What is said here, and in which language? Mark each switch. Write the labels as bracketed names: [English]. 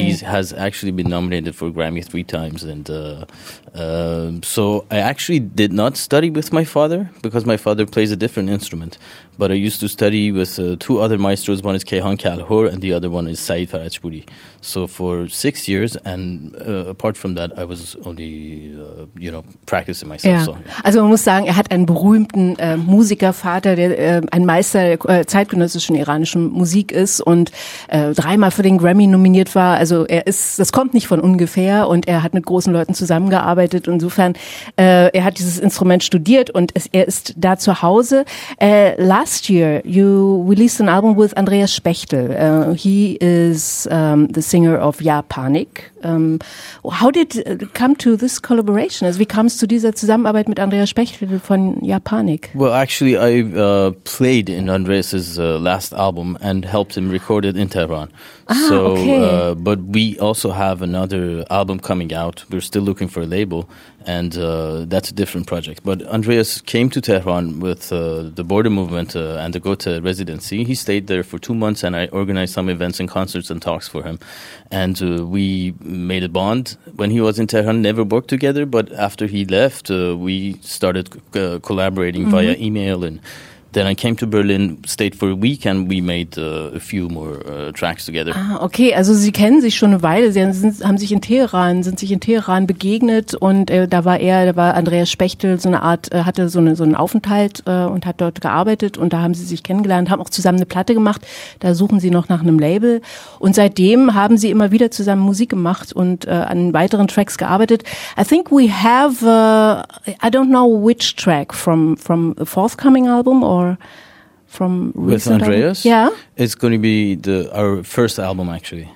[English] He has actually been nominated for Grammy 3 times. And so I actually did not study with my father because my father plays a different instrument. But I used to study with 2 other maestros. One is Kehan Kalhor and the other one is Saeed Farajpuri. So for 6 years, and apart from that, I was only, practicing myself. Yeah. So, yeah. [German] Also man muss sagen, er hat einen berühmten Musikervater, der ein Meister der zeitgenössischen iranischen Musik ist und 3-mal für den Grammy nominiert war. Also das kommt nicht von ungefähr und er hat mit großen Leuten zusammengearbeitet. Insofern, er hat dieses Instrument studiert und er ist da zu Hause. [English] Last year, you released an album with Andreas Spechtel. He is the singer of Ja Panik. How did it come to this collaboration? [German] Also, wie kam es zu dieser Zusammenarbeit mit Andreas Spechtel von Ja Panik? [English] Well, actually, I played in Andreas' last album and helped him record it in Tehran. But we also have another album coming out. We're still looking for a label, and that's a different project. But Andreas came to Tehran with the border movement and the Gotha residency. He stayed there for 2 months, and I organized some events and concerts and talks for him. And we made a bond when he was in Tehran, never worked together. But after he left, we started collaborating mm-hmm. via email. And then I came to Berlin, stayed for a week, and we made a few more tracks together. [German] Ah, okay. Also Sie kennen sich schon eine Weile. Sie sind sich in Teheran begegnet und da war Andreas Spechtel hatte einen Aufenthalt und hat dort gearbeitet und da haben Sie sich kennengelernt, haben auch zusammen eine Platte gemacht. Da suchen Sie noch nach einem Label und seitdem haben Sie immer wieder zusammen Musik gemacht und an weiteren Tracks gearbeitet. [English] I think we have I don't know which track from the forthcoming album. Or from with Andreas? Album? Yeah. It's going to be our first album, actually.